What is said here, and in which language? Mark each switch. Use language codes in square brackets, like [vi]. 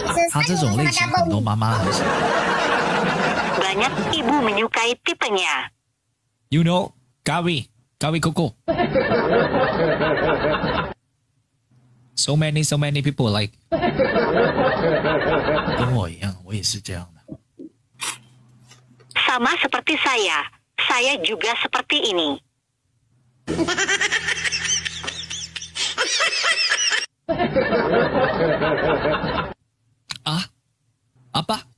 [zh] 他这种类型很多妈妈很喜欢。 [ms] Banyak ibu menyukai tipenya. [en] You know, Gawi. Gawi Koko. So many people like. [zh] 跟我一样，我也是这样的。 [ms] Sama seperti saya juga seperti ini. Ah? Apa?